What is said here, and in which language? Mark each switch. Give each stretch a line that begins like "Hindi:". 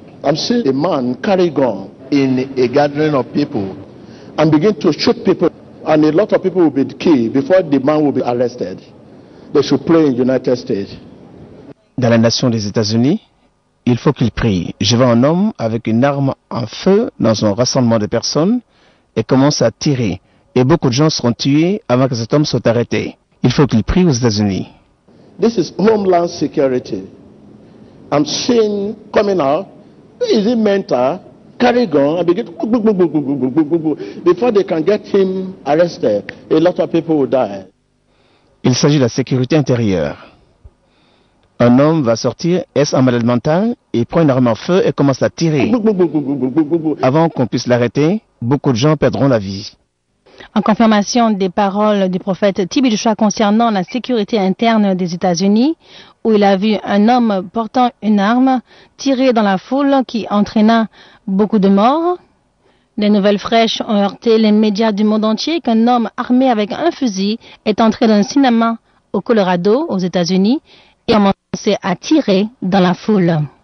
English: I'm seeing a man carry gun in a gathering of people and begin to shoot people. And a lot of people will be killed before the man will be arrested. They should pray in the United States.
French: Dans la nation des États-Unis, il faut qu'il prie. Je vois un homme avec une arme en feu dans un rassemblement de personnes et commence à tirer. Et beaucoup de gens seront tués avant que cet homme soit arrêté. Il faut qu'il prie aux États-Unis.
English: This is homeland security. I'm seeing coming out. Is it mental? Carry gun and begin before they can get him arrested. A lot of people will die.
French: Il s'agit de la sécurité intérieure. Un homme va sortir, est-ce un malade mental, il prend une arme en feu et commence à tirer. Avant qu'on puisse l'arrêter, beaucoup de gens perdront la vie. En confirmation des paroles du prophète Tibi de Choix concernant la sécurité interne des États-Unis, où il a vu un homme portant une arme tirer dans la foule qui entraîna beaucoup de morts, les nouvelles fraîches ont heurté les médias du monde entier qu'un homme armé avec un fusil est entré dans un cinéma au Colorado, aux États-Unis, et a commencé à tirer dans la foule.